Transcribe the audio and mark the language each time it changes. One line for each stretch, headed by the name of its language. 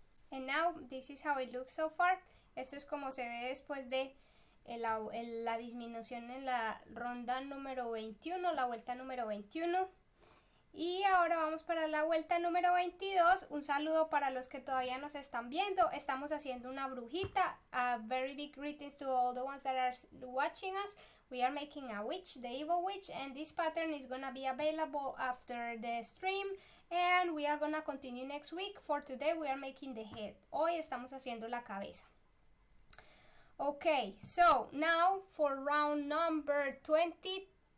English: And now this is how it looks so far.
Spanish: Esto es como se ve después de la disminución en la ronda número 21, la vuelta número 21. Y ahora vamos para la vuelta número 22. Un saludo para los que todavía nos están viendo. Estamos haciendo una brujita.
English: A very big greetings to all the ones that are watching us. We are making a witch, the evil witch. And this pattern is going to be available after the stream. And we are going to continue next week. For today we are making the head.
Spanish: Hoy estamos haciendo la cabeza.
English: Ok, so now for round number 22.